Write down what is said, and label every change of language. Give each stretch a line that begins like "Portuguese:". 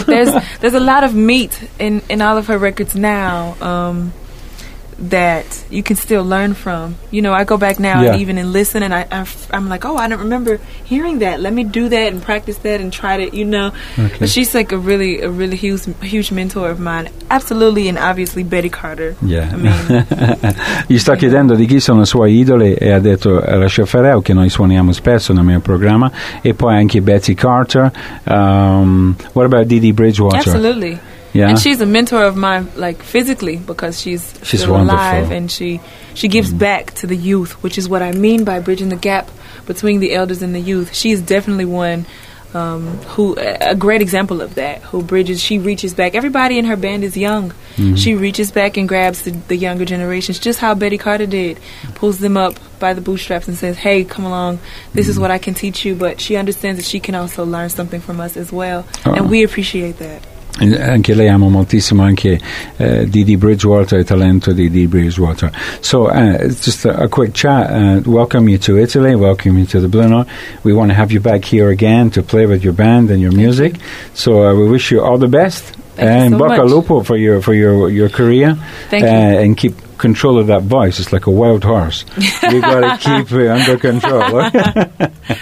English: But there's there's a lot of meat in all of her records now that you can still learn from. You know, I go back now and even and listen, and I'm like, oh, I don't remember hearing that. Let me do that and practice that and try to, you know. Okay. But she's like a really huge mentor of mine. Absolutely and obviously Betty Carter. Yeah. I mean,
Italian: gli sto chiedendo di chi sono i suoi idoli e ha detto Rachel Ferrell, che noi suoniamo spesso nel mio programma, e poi anche Betty Carter.
English: What about Dee Dee Bridgewater? Absolutely. Yeah. And she's a mentor of mine, like, physically, because she's still wonderful. Alive, and she gives back to the youth, which is what I mean by bridging the gap between the elders and the youth. She's definitely one who a great example of that, who bridges, she reaches back. Everybody in her band is young. Mm-hmm. She reaches back and grabs the younger generations, just how Betty Carter did, pulls them up by the bootstraps and says, hey, come along, this is what I can teach you. But she understands that she can also learn something from us as well, and we appreciate that.
Italian: Anche lei amo moltissimo anche Dee Dee Bridgewater, il talento di Dee Bridgewater.
English: So just a quick chat, welcome you to Italy, welcome you to the Blue Note. We want to have you back here again to play with your band and your music. So we wish you all the best. Thank and so
Italian: bocca
English: much. Lupo for your career. Thank you. And keep control of that voice. It's like a wild horse. You got to keep it under control.